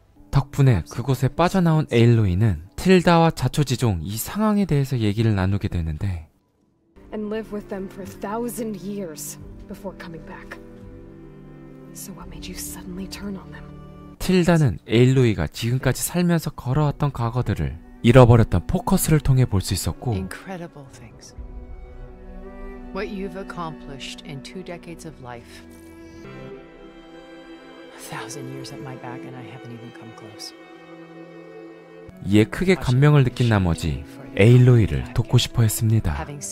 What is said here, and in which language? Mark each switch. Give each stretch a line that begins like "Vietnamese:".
Korean: 덕분에 그곳에 빠져나온 에일로이는 틸다와 자초지종 이 상황에 대해서 얘기를 나누게 되는데
English: And live with them for a thousand years before coming back. So what made you suddenly turn on them?
Korean: 틸다는 에일로이가 지금까지 살면서 걸어왔던 과거들을 잃어버렸던 포커스를 통해 볼 수 있었고
English: Incredible things. What you've accomplished in two decades of life. Thousand years at my back and I haven't even come close.
Korean: 이에 크게 감명을 느낀 나머지 에일로이를 돕고 싶어 했습니다.